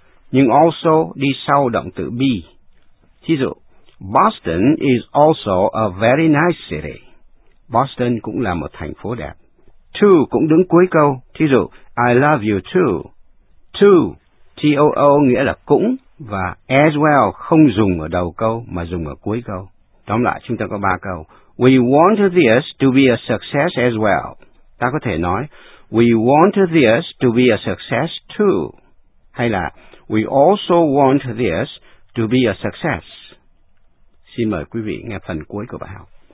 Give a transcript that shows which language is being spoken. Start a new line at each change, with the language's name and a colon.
Vietnamese: Nhưng also đi sau động từ be. Thí dụ,
English: Boston is also a very nice city.
Vietnamese: Boston cũng là một thành phố đẹp. To cũng đứng cuối câu, thí dụ,
English: I love you too.
Vietnamese: To, T-O-O nghĩa là cũng, và as well không dùng ở đầu câu, mà dùng ở cuối câu. Tóm lại, chúng ta có 3 câu.
English: We want this to be a success as well.
Vietnamese: Ta có thể nói,
English: we want this to be a success too.
Vietnamese: Hay là,
English: we also want this to be a success.
Vietnamese: Xin mời quý vị nghe phần cuối của bài học.